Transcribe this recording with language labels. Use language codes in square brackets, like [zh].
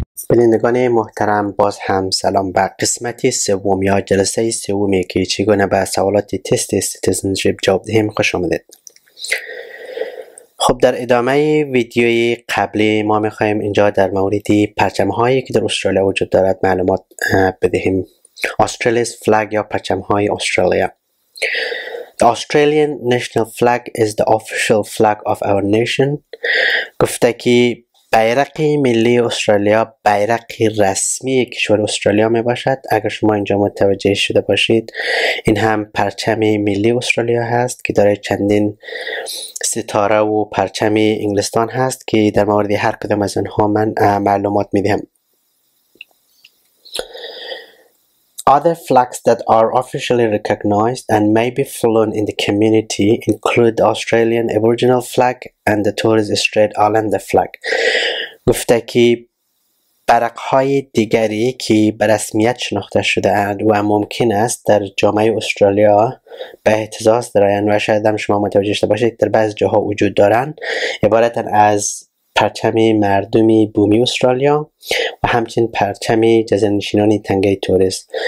[fa] بینندگان محترم، باز هم سلام. به قسمت سوم یا جلسه سومی که چگونه به سوالات تست سیتیزنشیپ جواب دهیم خوش آمدید. خب، در ادامه ویدیوی قبلی ما میخواییم اینجا در مورد پرچم هایی که در استرالیا وجود دارد معلومات بدهیم. استرالیا فلاگ یا پرچم های استرالیا. [en] The Australian National Flag is the official flag of our nation. [fa] گفته که بیرق ملی استرالیا بیرق رسمی کشور استرالیا می باشد. اگر شما اینجا متوجه شده باشید، این هم پرچم ملی استرالیا هست که داره چندین ستاره و پرچم انگلستان هست که در مورد هر کدام از اونها من معلومات می دهم. [en] Other flags that are officially recognized and may be flown in the community include the Australian Aboriginal flag and the Torres Strait Islander flag. [fa] گفته که برق های دیگری که به رسمیت شناخته شده اند و ممکن است در جامعه استرالیا به اهتزاز دارند و شاید هم شما متوجه شده باشید در بعض جاها وجود دارند، عبارتن از پرچم مردم بومی استرالیا و همچنین پرچم جزیره نشینان تنگه تورس.